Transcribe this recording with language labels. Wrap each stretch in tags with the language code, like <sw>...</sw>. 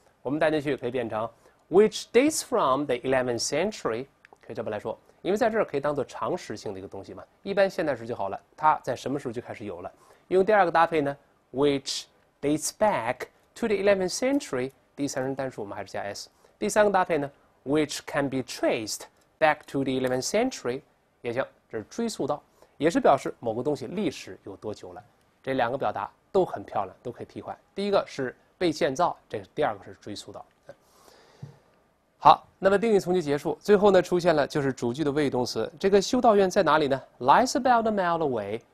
<zh>我们带进去可以变成</zh> <en>which dates from the 11th century，</en> <zh>可以这么来说，因为在这儿可以当做常识性的一个东西嘛，一般现代时就好了，它在什么时候就开始有了？用第二个搭配呢？</zh> <en>Which dates back to the 11th century.</en> <zh>第三人单数我们还是加 s. 第三个搭配呢</zh> <en>？Which can be traced back to the 11th century.</en> <zh>也行，这是追溯到，也是表示某个东西历史有多久了。这两个表达都很漂亮，都可以替换。第一个是被建造，这个、第二个是追溯到。好，那么定语从句结束，最后呢出现了就是主句的谓语动词。这个修道院在哪里呢 ？</zh> <en>Lies about a mile away.</en>